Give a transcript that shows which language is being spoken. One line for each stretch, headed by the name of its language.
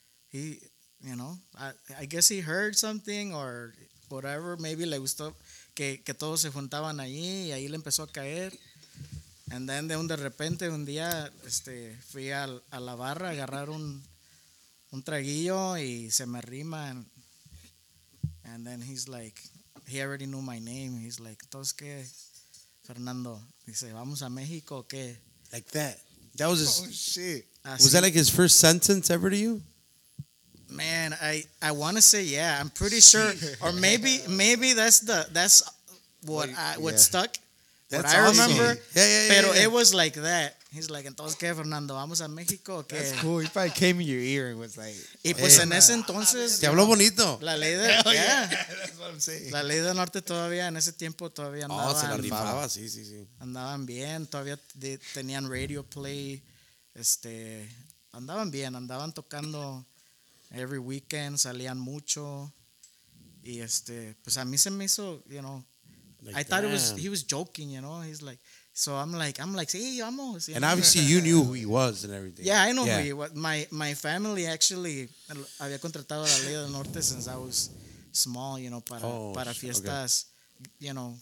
English: He, you know, I guess he heard something or whatever. Maybe
Spanish: le gustó que todos se juntaban ahí y ahí le empezó a caer.
English: And then
Spanish: de repente un día fui a la barra a agarrar un traguillo y se me arrima.
English: And then he's like, he already knew my name. He's like,
Spanish: ¿todos qué, Fernando? Dice, ¿vamos a México o qué?
English: Like that. That was his, oh, shit. Así. Was that like his first sentence ever to you? Man, I want to say yeah. I'm pretty sure. Or maybe that's what like, I what yeah. stuck. That's what I awesome. Remember. Yeah.
Spanish: Pero
English: yeah. it was like that. He's like,
Spanish: ¿entonces qué, Fernando? ¿Vamos a México o qué?
English: That's cool. He probably came in your ear and was like...
Spanish: Y pues en ese entonces... Te habló bonito. La ley de...
English: Yeah. Yeah, that's what I'm saying.
Spanish: La ley del norte todavía, en ese tiempo todavía andaban... Oh, se la rifaba, sí. Andaban bien, todavía tenían radio play. Andaban bien, andaban tocando
English: every weekend,
Spanish: salían mucho. Y pues a mí se me hizo,
English: you know... Like, I thought he was joking, you know? He's like... So I'm like,
Spanish: sí, vamos.
English: And obviously you knew who he was and everything. Yeah, I know who he was. My family actually
Spanish: había contratado a la Ley del Norte
English: since I was small, you know,
Spanish: para fiestas,
English: okay. You know,